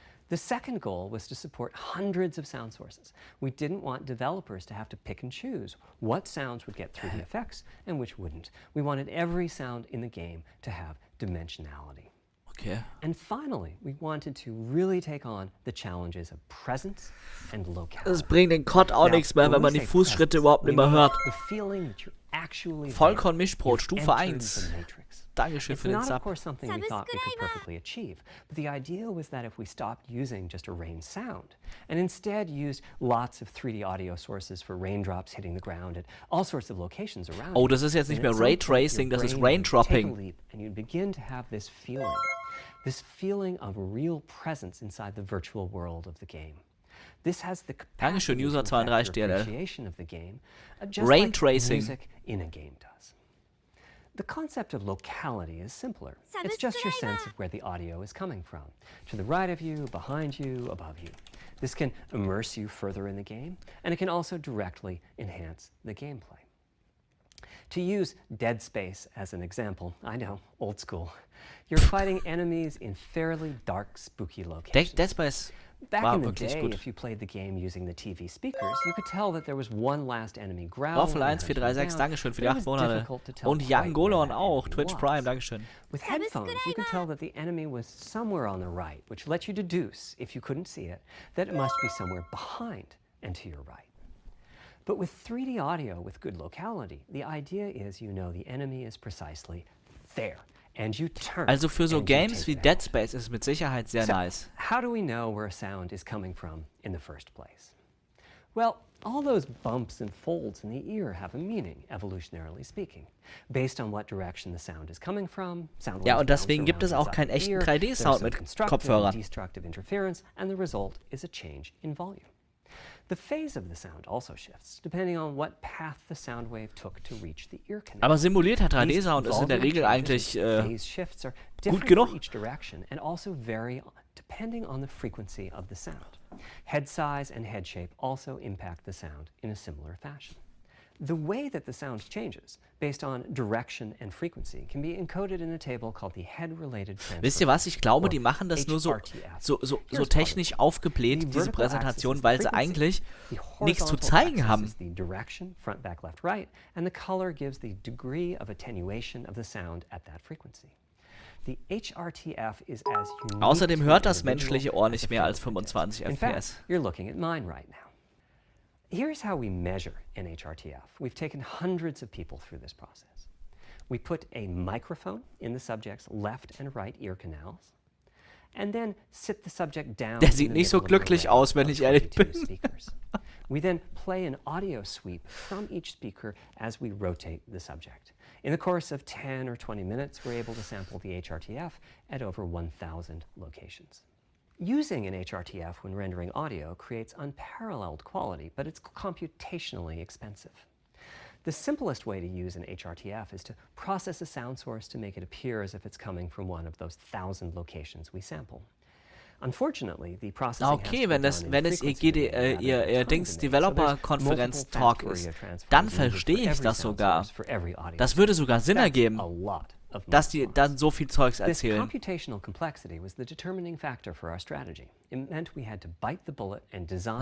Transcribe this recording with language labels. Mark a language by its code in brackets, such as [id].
[en] The second goal was to support hundreds of sound sources. We didn't want developers to have to pick and choose what sounds would get 3D effects and which wouldn't. We wanted every sound in the game to have dimensionality. Okay. And finally, we wanted to really take on the challenges of presence and locality. [de] Das bringt den COD auch nichts mehr, wenn man die Fußschritte überhaupt nicht mehr hört. [en] The feeling that you're actually [de] Vollkorn Mischbrot, Stufe 1. Dankeschön für den Sub. [en] It's something we thought we could perfectly achieve. But the idea was that if we stopped using just a rain sound and instead used lots of 3D audio sources for raindrops hitting the ground at all sorts of locations around. [de] Oh, das ist jetzt nicht mehr Raytracing, das ist Raindropping. [en] And you'd begin to have this feeling. This feeling of real presence inside the virtual world of the game. This has the capacity to affect your appreciation of the game, just rain like tracing. Music in a game does. The concept of locality is simpler. It's just your sense of where the audio is coming from. To the right of you, behind you, above you. This can immerse you further in the game, and it can also directly enhance the gameplay. To use Dead Space as an example, I know, old school. You're fighting enemies in fairly dark, spooky locations. Dead Space. Back wow, in the day, good. If you played the game using the TV speakers, you could tell that there was one last enemy growling. [de] Waffle 1436, danke schön für die 8 Monate. Und Jan Golon auch, Twitch Prime, danke schön. [en] With headphones, you could tell that the enemy was somewhere on the right, which let you deduce, if you couldn't see it, that it must be somewhere behind and to your right. But with 3D audio with good locality, the idea is you know the enemy is precisely there. And you turn. [de] Also für so Games wie Dead Space ist es mit Sicherheit sehr nice. [en] How do we know where a sound is coming from in the first place? Well, all those bumps and folds in the ear have a meaning, evolutionarily speaking, based on what direction the sound is coming from. Sound [de] ja, und deswegen gibt es auch keinen echten 3D-Sound mit Kopfhörern. [en] Destructive interference, and the result is a change in volume. The phase of the sound also shifts, depending on what path the sound wave took to reach the ear canal. [de] Aber simulierter 3D-Sound ist in der Regel eigentlich gut genug. [en] Each direction and also vary depending on the frequency of the sound. Head size and head shape also impact the sound in a similar fashion. The way that the sound changes, based on direction and frequency, can be encoded in a table called the head-related transfer. [de] Wisst ihr was? Ich glaube, die machen das nur so technisch aufgebläht, diese Präsentation, weil sie eigentlich nichts zu zeigen haben. [en] The direction, front, back, left, right, and the color gives the degree of attenuation of the sound at that frequency. The HRTF is as unique. [de] Außerdem hört das menschliche Ohr nicht mehr als 25 FPS. [en] In fact, you're looking at mine right now. Here's how we measure NHRTF. We've taken hundreds of people through this process. We put a microphone in the subject's left and right ear canals and then sit the subject down. [de] Der sieht nicht so glücklich aus, wenn ich ehrlich bin. [en] We then play an audio sweep from each speaker as we rotate the subject. In the course of 10 or 20 minutes, we're able to sample the HRTF at over 1,000 locations. Using an HRTF when rendering audio creates unparalleled quality, but it's computationally expensive. The simplest way to use an HRTF is to process a sound source to make it appear as if it's coming from one of those 1,000 locations we sample. Unfortunately, the processing [de] okay, wenn es ihr Dings Developer-Konferenz-Talk ist, dann verstehe ich das sogar. Das würde sogar Sinn ergeben. Dass die dann so viel Zeugs erzählen. [en] This computational complexity was the determining factor for our strategy. It meant we had to bite the bullet and design.